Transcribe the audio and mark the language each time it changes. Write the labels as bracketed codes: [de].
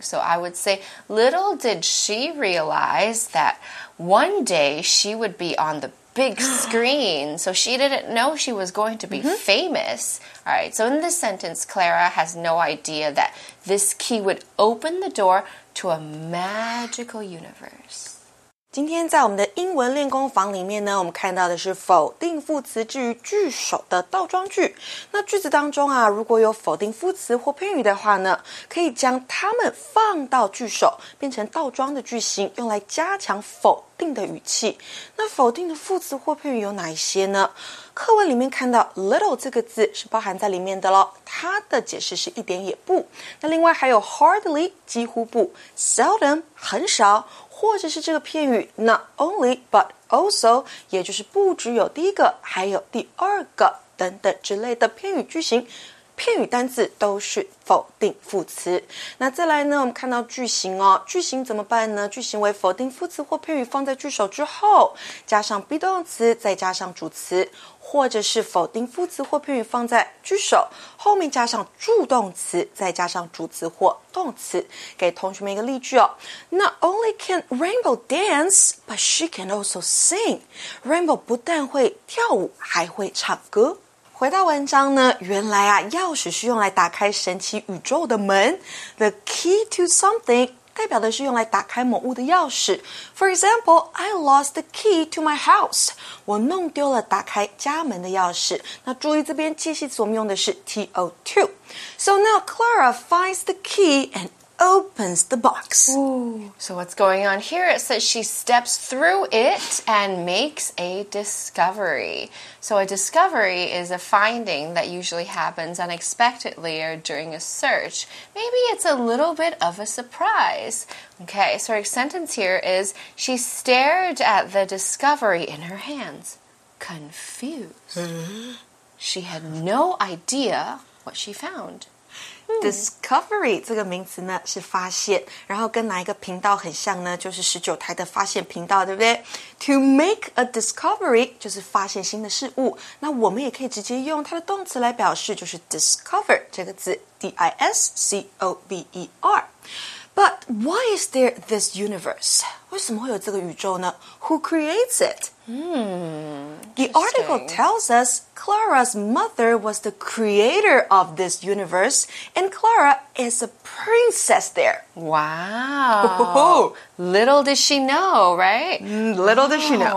[en] So I would say little did she realize that one day she would be on the big screen. So she didn't know she was going to be famous. All right, so in this sentence, Clara has no idea that this key would open the door to a magical universe. [zh] 今天在我们的英文练功房里面呢，我们看到的是否定副词置于句首的倒装句。那句子当中啊，如果有否定副词或偏语的话呢，可以将它们放到句首，变成倒装的句型，用来加强否定的语气。那否定的副词或偏语有哪一些呢？课文里面看到 little 这个字是包含在里面的咯，它的解释是一点也不。那另外还有 hardly 几乎不， seldom 很少，或者是这个片语 [en] not only but also， [zh] 也就是不只有第一个还有第二个等等之类的片语句型，片语单字都是否定副词。那再来呢，我们看到句型哦，句型怎么办呢？句型为否定副词或片语放在句首之后，加上 be 动词再加上主词，或者是否定副词或片语放在句首后面加上助动词再加上主词或动词。给同学们一个例句哦， [en] Not only can Rainbow dance, but she can also sing. [zh] Rainbow 不但会跳舞还会唱歌。回到文章呢，原来啊，钥匙是用来打开神奇宇宙的门。 [en] The key to something [zh] 代表的是用来打开某物的钥匙。 [en] For example, I lost the key to my house. [zh] 我弄丢了打开家门的钥匙。那注意这边介系词我们用的是 to. [en] So now Clara finds the key andopens the box. Ooh. So what's going on here? It says she steps through it and makes a discovery. So a discovery is a finding that usually happens unexpectedly or during a search. Maybe it's a little bit of a surprise. Okay, so her sentence here is, she stared at the discovery in her hands, confused. She had no idea what she found. [zh] Discovery 这个名词呢是发现，然后跟哪一个频道很像呢？就是19台的发现频道，对不对？ [en] To make a discovery [zh] 就是发现新的事物，那我们也可以直接用它的动词来表示，就是 discover 这个字 D-I-S-C-O-V-E-R. [en] But why is there this universe? [zh] 为什么会有这个宇宙呢？ [en] Who creates it? The article tells us Clara's mother was the creator of this universe, and Clara is a princess there. Wow. Oh. Little did she know, right? Little did she know.